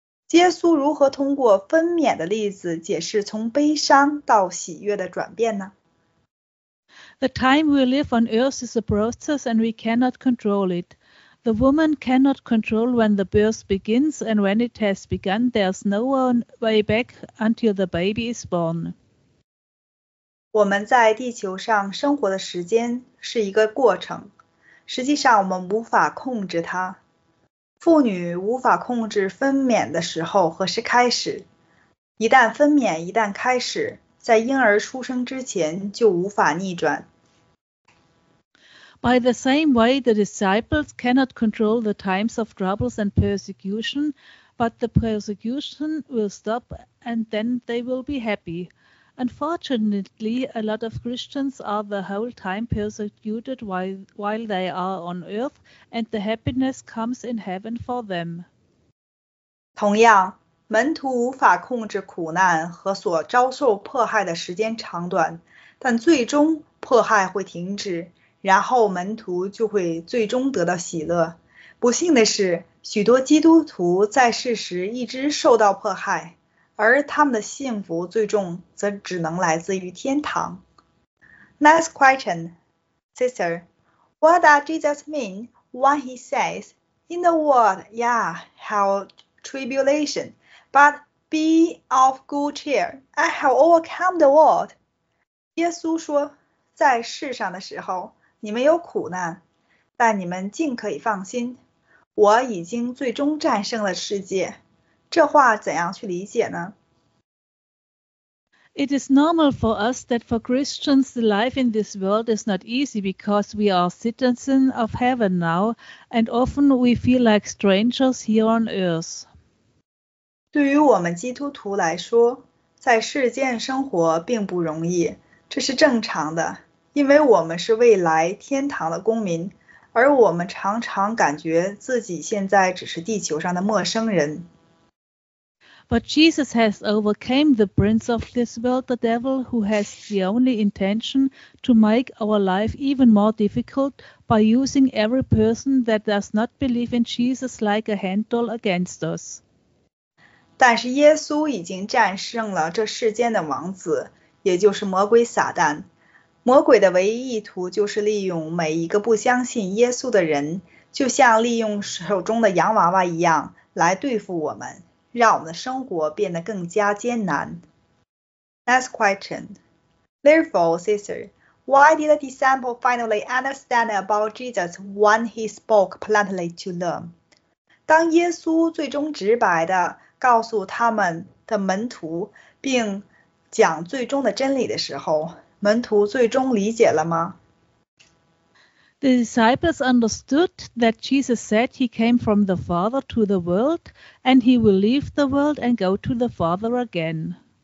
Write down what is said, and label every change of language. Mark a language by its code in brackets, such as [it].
[zh] 耶稣如何通过分娩的例子解释从悲伤到喜悦的转变呢？ [en] The time we live on earth is a process and we cannot control it. The woman cannot control when the birth begins and when it has begun, there's no way back until the baby is born. [zh] 我们在地球上生活的时间是一个过程，实际上我们无法控制它。妇女无法控制分娩的时候何时开始。一旦分娩一旦开始，在婴儿出生之前就无法逆转。 [en] By the same way, the disciples cannot control the times of troubles and persecution, but the persecution will stop and then they will be happy. Unfortunately, a lot of Christians are the whole time persecuted while they are on earth, and the happiness comes in heaven for them. [zh] 同样，门徒无法控制苦难和所遭受迫害的时间长短，但最终迫害会停止。然后门徒就会最终得到喜乐。不幸的是，许多基督徒在世时一直受到迫害，而他们的幸福最终则只能来自于天堂。 [en] Next question, sister, what does Jesus mean when he says, "In the world, yeah, have tribulation, but be of good cheer. I have overcome the world." [zh] 耶稣说，在世上的时候，你们有苦难，但你们尽可以放心，我已经最终战胜了世界。这话怎样去理解呢？ [en] It is normal for us that for Christians the life in this world is not easy because we are citizens of heaven now and often we feel like strangers here on earth. [zh] 对于我们基督徒来说，在世间生活并不容易，这是正常的。因为我们是未来天堂的公民，而我们常常感觉自己现在只是地球上的陌生人。 [en] But Jesus has overcome the prince of this world, the devil, who has the only intention to make our life even more difficult by using every person that does not believe in Jesus like a hand doll against us. [zh] 但是耶稣已经战胜了这世间的王子，也就是魔鬼撒旦。魔鬼的唯一意图就是利用每一个不相信耶稣的人，就像利用手中的洋娃娃一样来对付我们，让我们的生活变得更加艰难。 [en] Next question. Therefore, sister, Why did the disciple finally understand about Jesus when he spoke plainly to them? [zh] 当耶稣最终直白地告诉他们的门徒并讲最终的真理的时候，门徒最终理解了吗？ [en] The disciples understood that Jesus said he came from the Father to the world, and he will leave the world and go to the Father again.